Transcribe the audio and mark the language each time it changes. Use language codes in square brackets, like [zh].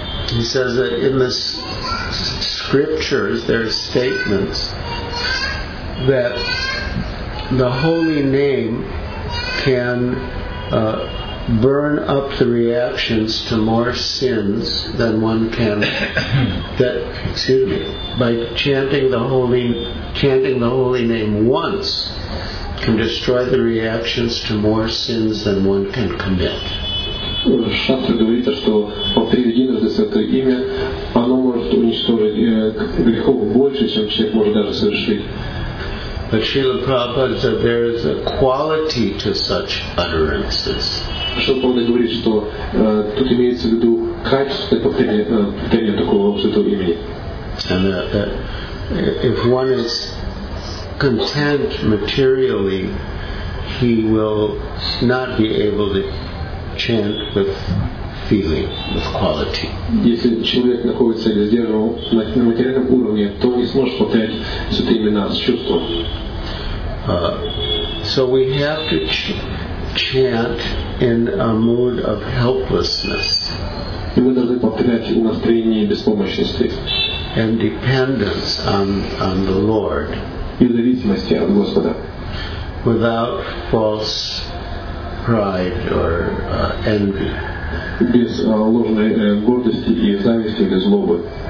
[en] He says that in the scriptures there are statements that the holy name can burn up the reactions to more sins than one can. That, excuse me, by chanting the holy name once can destroy the reactions to more sins than one can commit. [ru] Шастра говорит, что повторить единожды святое имя, оно может уничтожить грехов больше, чем человек может даже совершить. [en] But Srila Prabhupada said there is a quality to such utterances. [ru] Шрила Прабхупада говорит, что тут имеется в виду качество повторения такого святого имени. [en] And if one is content materially, he will not be able to chant with feeling, with quality. [ru] Если человек находится или сдерживан на материальном уровне, то не сможет повторять святые имена с чувством. [en] So we have to chant in a mood of helplessness. [ru] И мы должны повторять в настроении беспомощности. [en] And dependence on the Lord. [ru] И зависимости от Господа. [en] Without false pride or envy. [ru] Без ложной гордости и зависти или злобы.